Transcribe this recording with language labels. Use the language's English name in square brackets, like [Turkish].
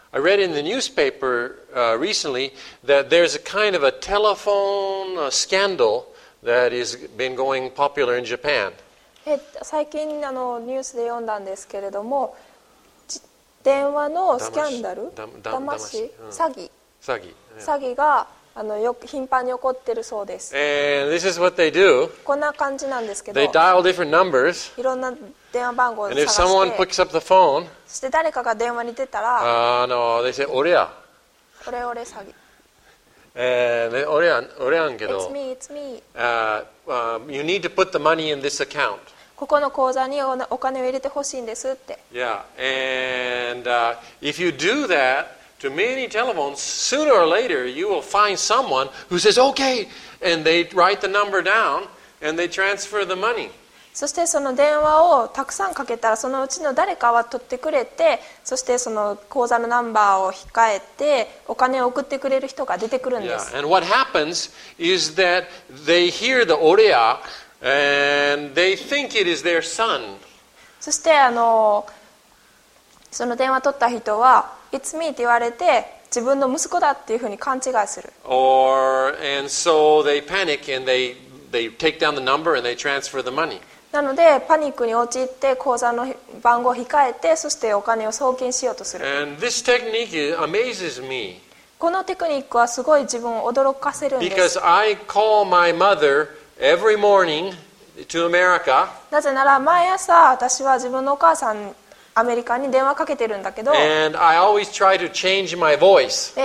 [English] I read in the newspaper recently that there's a kind of a telephone scandal that has been going popular in Japan. [Japanese] 最近あのニュースで読んだんですけれども、電話のスキャンダル、騙し、詐欺、詐欺、詐欺があのよ頻繁に起こってるそうです。 [English] And this is what they do. [Japanese] こんな感じなんですけど、 [English] they dial different numbers. [Japanese] いろんな電話番号を探して、 [English] and if someone picks up the phone, [Japanese] そして誰かが電話に出たら、 [English] no, they say, [Japanese] 俺や、これ俺詐欺。俺やんけど、 [English] it's me, it's me. You need to put the money in this account. [Japanese] ここの口座にお金を入れてほしいんですって。 [English] Yeah, and if you do that to many telephones, sooner or later you will find someone who says okay, and they write the number down and they transfer the money. [Japanese] そしてその電話をたくさんかけたら、そのうちの誰かは取ってくれて、そしてその口座のナンバーを控えてお金を送ってくれる人が出てくるんです。 [English] Yeah, and what happens is that they hear the oreaAnd they think it is their son. [Japanese] そしてあのその電話取った人は [English] It's me [Japanese] って言われて自分の息子だっていうふうに勘違いする。 [English] Or and so they panic and they take down the number and they transfer the money. [Japanese] なのでパニックに陥って口座の番号を控えてそしてお金を送金しようとする。 [English] And this technique amazes me. [Japanese] このテクニックはすごい自分を驚かせるんです。 [English] Because I call my motherEvery morning to America. [Japanese] なぜなら毎朝私は自分のお母さんアメリカに電話かけてるんだけど、 [English] And I always try to change my voice.